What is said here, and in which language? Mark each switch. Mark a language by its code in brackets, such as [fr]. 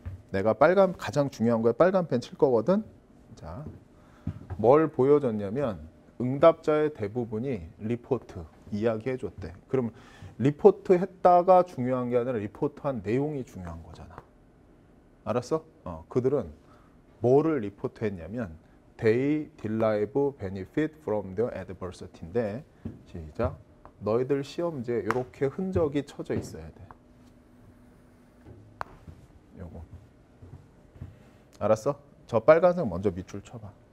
[ko] 내가 빨간 가장 중요한 거에 빨간 펜칠 거거든. 자, 뭘 보여줬냐면 응답자의 대부분이 리포트 이야기해 줬대. 그럼 리포트 했다가 중요한 게 아니라 리포트한 내용이 중요한 거잖아. 알았어? 그들은 뭐를 리포트했냐면 [en] they derive benefit from their adversity [ko] 인데 시작. 너희들 시험지에 이렇게 흔적이 쳐져 있어야 돼. 요거. 알았어? 저 빨간색 먼저 밑줄 쳐봐.